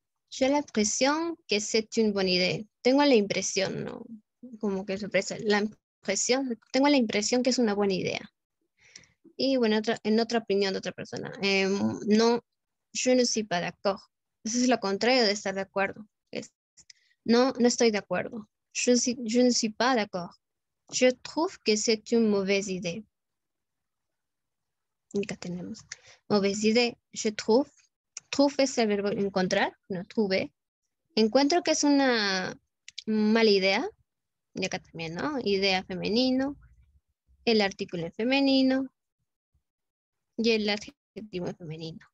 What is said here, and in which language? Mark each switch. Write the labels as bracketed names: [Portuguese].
[French] J'ai l'impression que c'est une bonne idée. [Spanish] Tengo la impresión, ¿no? Como que sorpresa. La impresión. Tengo la impresión que es una buena idea. Y bueno, en otra opinión de otra persona. [French] No, je ne suis pas d'accord. [Spanish] Eso es lo contrario de estar de acuerdo. No, no estoy de acuerdo. [French] Je ne suis pas d'accord. Je trouve que c'est une mauvaise idée. [Spanish] Acá tenemos. [French] Mauvaise idée. Je trouve. [Spanish] Trouve es el verbo encontrar. No, trouve. Encuentro que es una mala idea. Y acá también, ¿no? Idea femenino. El artículo en femenino. Y el adjetivo en femenino.